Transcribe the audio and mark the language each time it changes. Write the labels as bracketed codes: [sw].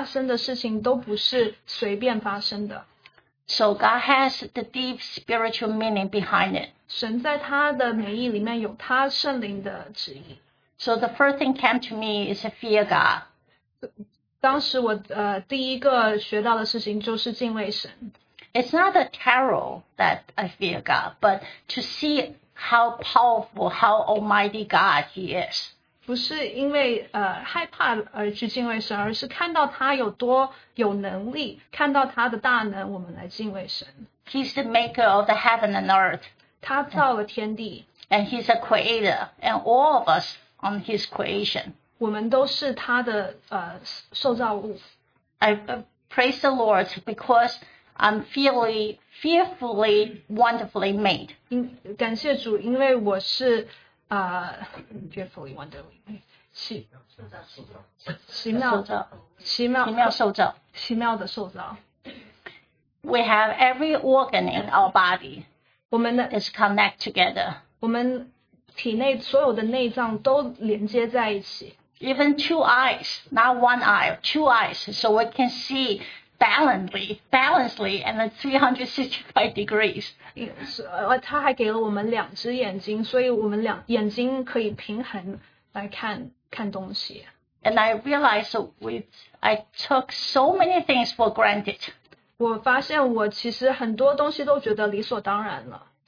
[zh] 但是我们基督徒知道我们身上发生的事情都不是随便发生的。 [en] So God has the deep spiritual meaning behind it. [zh] 神在他的美意里面有他圣灵的旨意。 [en] So the first thing came to me is fear God. [zh] 当时我, 第一个学到的事情就是敬畏神。 [en] It's not a terror that I fear God, but to see how powerful, how almighty God he is. [zh] 不是因为, 害怕而去敬畏神, 而是看到他有多有能力, 看到他的大能, 我们来敬畏神。 [en] He's the maker of the heaven and earth. [zh] 他造了天地。 [en] And he's a creator, and all of us on his creation. [zh] 我们都是他的, 受造物。 [en] I praise the Lord because I'm fearfully, wonderfully made. [zh] 感谢主, 因为我是, [en] fearfully, wonderfully made. [zh] 奇妙的受造。 [en] We have every organ in our body is connected together. [zh] 体内所有的内脏都连接在一起。 [en] Even two eyes, not one eye, two eyes, so we can see balancedly and then 365 degrees. [zh] 他还给了我们两只眼睛, 所以我们两眼睛可以平衡来看东西。 [en] And I realized I took so many things for granted. [zh] 我发现我其实很多东西都觉得理所当然了。